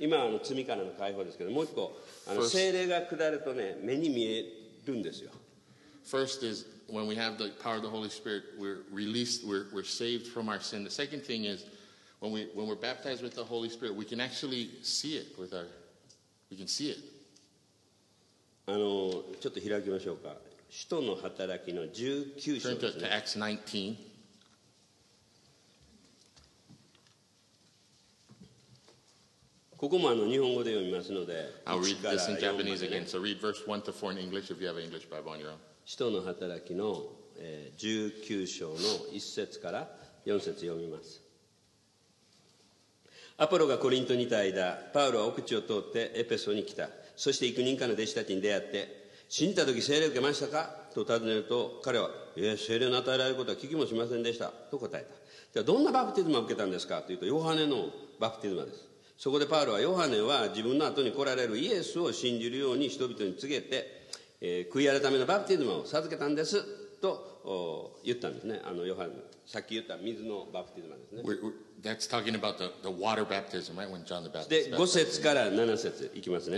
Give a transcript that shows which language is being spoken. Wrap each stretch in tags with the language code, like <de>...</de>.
<ja>今あの罪からの解放ですけど、もう一個あの聖霊が下るとね目に見えるんですよ。</ja> <en>First is when we have the power of the Holy Spirit, we're released, we're saved from our sin. The second thing is when we're baptized with the Holy Spirit, we can actually see it with our, we can see it.</en> <ja>あのちょっと開きましょうか。使徒の働きの19章ですね。</ja> <en>Turn to Acts 19.</en> <ja>ここもあの日本語で読みますので、</ja> <en>I'll read this in Japanese again. So read verse 1 to 4 in English if you have an English Bible on your own.</en> <ja>使徒の働きの19章の1節から4節読みます。アポロがコリントにいた間、パウロは奥地を通ってエペソに来た。そして幾人かの弟子たちに出会って、死んだ時聖霊を受けましたかと尋ねると、彼は、聖霊の与えられることは聞きもしませんでしたと答えた。じゃあどんなバプティズマを受けたんですかというと、ヨハネのバプティズマです。そこでパウロはヨハネは自分の後に来られるイエスを信じるように人々に告げて、悔い改めのバプティズマを授けたんですと言ったんですね。あのヨハネ、さっき言った水のバプティズムですね。</ja> <en>That's talking about the water baptism, right? When John the Baptist.</en> <ja>で、5節から7節いきますね。</ja>